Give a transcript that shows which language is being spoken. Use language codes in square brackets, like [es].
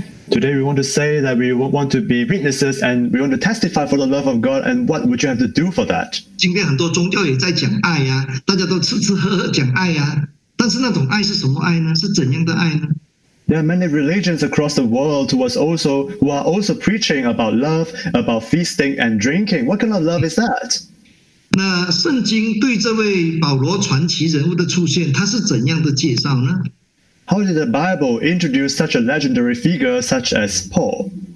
[en] Today we want to say that we want to be witnesses and we want to testify for the love of God, and what would you have to do for that? There are many religions across the world who are also preaching about love, about feasting and drinking. What kind of love is that? [zh] 那圣经对这位保罗传奇人物的出现，他是怎样的介绍呢？ [en] How did the Bible introduce such a legendary figure such as Paul?